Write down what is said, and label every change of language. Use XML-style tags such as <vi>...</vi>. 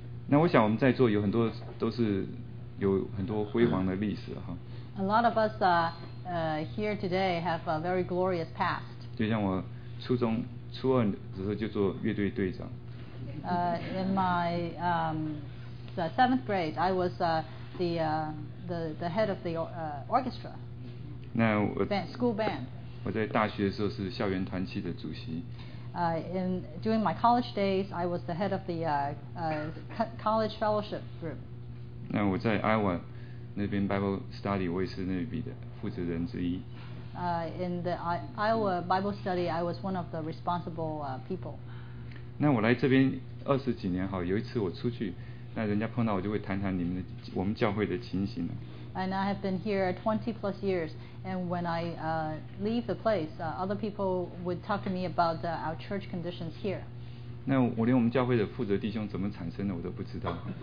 <zh>那我想我们在座有很多都是有很多辉煌的历史哈。</zh> <en>A lot of us here today have a very glorious past.</en> <zh>就像我。初中初二的时候就做乐队队长。</zh> <en>In my the seventh grade, I was the head of the orchestra.</en> <zh>那我</zh> <en>school band.</en> <zh>我在大学的时候是校园团契的主席。</zh> <en>In during my college days, I was the head of the college fellowship group.</en> <zh>那我在 Iowa 那边 Bible study， 我也是那边的负责人之一。</zh> <en>In the Iowa Bible study, I was one of the responsible people.</en> <zh>那我来这边二十几年好，有一次我出去，那人家碰到我就会谈谈你们的我们教会的情形了。</zh> <en>And I have been here 20 plus years, and when I leave the place, other people would talk to me about our church conditions here.</en> <zh>那我连我们教会的负责弟兄怎么产生的我都不知道。</zh>